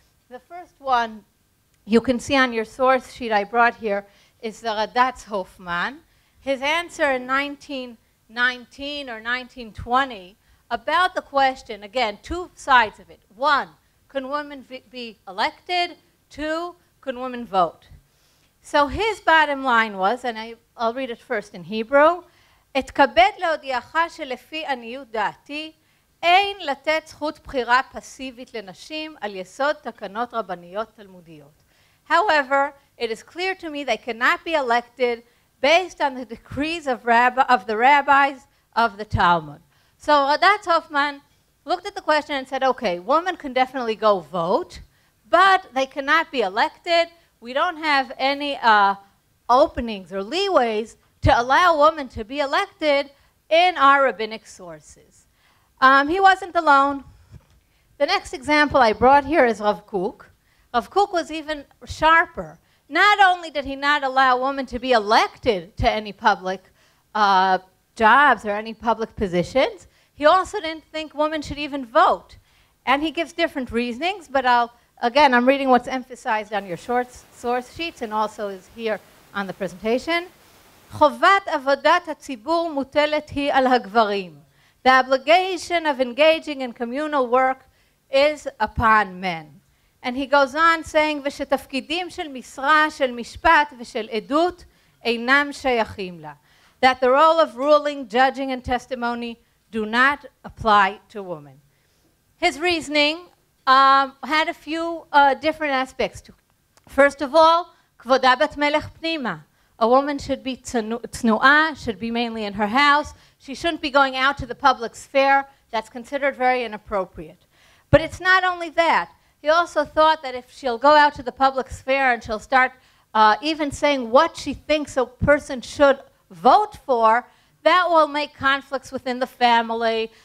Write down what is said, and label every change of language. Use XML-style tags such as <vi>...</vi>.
<en>The first one you can see on your source sheet I brought here is the Radatz Hofmann. His answer in 1919 or 1920 about the question, again, two sides of it. One, can women be elected? Two, can women vote? So his bottom line was, and I'll read it first in Hebrew,</en> <he>אתכבד להודיעך שלפי עניות דעתי, אין לתת זכות בחירה פסיבית לנשים על יסוד תקנות רבניות תלמודיות.</he> <en>However, it is clear to me they cannot be elected based on the decrees of the rabbis of the Talmud. So Radatz Hofmann looked at the question and said, okay, women can definitely go vote, but they cannot be elected. We don't have any openings or leeways to allow women to be elected in our rabbinic sources. He wasn't alone. The next example I brought here is Rav Kook. Rav Kook was even sharper. Not only did he not allow women to be elected to any public jobs or any public positions, he also didn't think women should even vote. And he gives different reasonings, but I'm reading what's emphasized on your short source sheets and also is here on the presentation.</en> <he>חובת עבודת הציבור מוטלת היא על הגברים.</he> <en>The obligation of engaging in communal work is upon men. And he goes on saying,</en> <he>ושתפקידים של משרה, של משפט ושל עדות אינם שייכים לה.</he> <en>That the role of ruling, judging, and testimony do not apply to women. His reasoning had a few different aspects to it. First of all,</en> <he>כבודה בת מלך פנימה.</he> <en>A woman should be tznu'a, should be mainly in her house. She shouldn't be going out to the public sphere. That's considered very inappropriate. But it's not only that. He also thought that if she'll go out to the public sphere and she'll start even saying what she thinks a person should vote for, that will make conflicts within the family.</en>